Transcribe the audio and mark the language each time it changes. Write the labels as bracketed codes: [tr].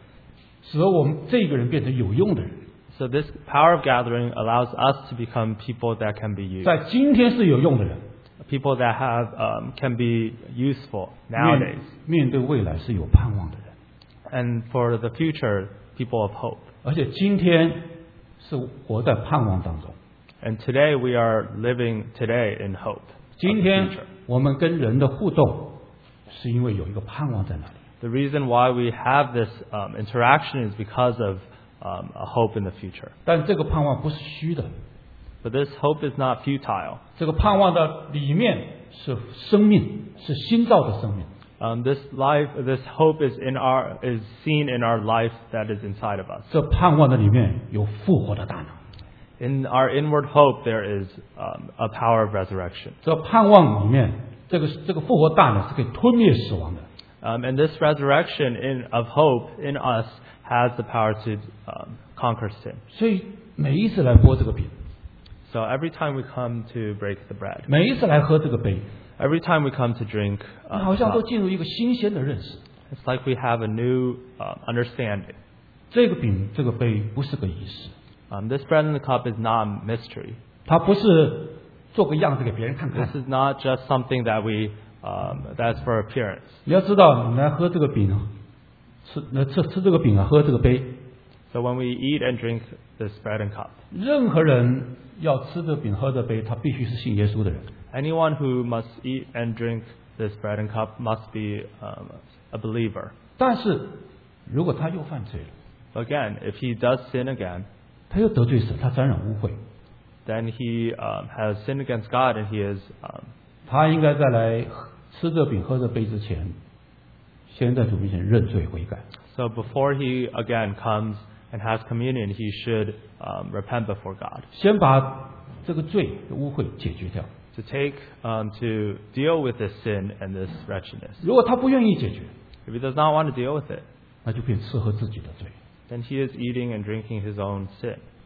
[zh] 这个收据的能力使得我们这个人变成有用的人。 [en] So this power of gathering allows us to become people that can be used. [zh] 在今天是有用的人。 [en] People that have can be useful nowadays. [zh] 面对未来是有盼望的人。 [en] And for the future, people of hope. [zh] 而且今天是活在盼望当中。 [en] And today we are living today in hope. [zh] 今天我们跟人的互动是因为有一个盼望在那里。 [en] The reason why we have this interaction is because of a hope in the future. [zh] 但这个盼望不是虚的。 [en] But this hope is not futile. [zh] 这个盼望的里面是生命，是新造的生命。 [en] This hope is seen in our life that is inside of us. [zh] 这盼望的里面有复活的大能。 [en] In our inward hope, there is a power of resurrection. [zh] 这盼望里面, 这个复活大能是可以吞灭死亡的。 [en] And this resurrection of hope in us has the power to conquer sin. [zh] 所以每一次来拨这个饼, [en] so every time we come to break the bread, [zh] 每一次来喝这个杯, [en] every time we come to drink, [zh] 好像都进入一个新鲜的认识。 [en] It's like we have a new understanding. [zh] 这个饼, 这个杯不是个仪式。 [en] This bread and the cup is not a mystery. [zh] 它不是做个样子给别人看看。 [en] This is not just something that we that's for appearance. [zh] 你要知道你来喝这个饼, 吃这个饼啊, 喝这个杯, [en] so when we eat and drink this bread and cup, [zh] 任何人要吃这个饼, 喝这杯, 他必须是信耶稣的人。 [en] Anyone who must eat and drink this bread and cup must be a believer. [zh] 但是如果他又犯罪了, [en] again, if he does sin again, [zh] 他又得罪神, 他沾染污秽, [en] then he has sinned against God and he is [zh] 他应该在来吃这饼喝这杯之前, 先在主面前认罪悔改。 [en] So before he again comes and has communion, he should repent before God. [zh] 先把这个罪污秽解决掉。 [en] To take to deal with this sin and this wretchedness. [zh] 如果他不愿意解决, [en] if he does not want to deal with it, [zh] 那就变吃喝自己的罪。 [en] Then he is eating and drinking his own sin.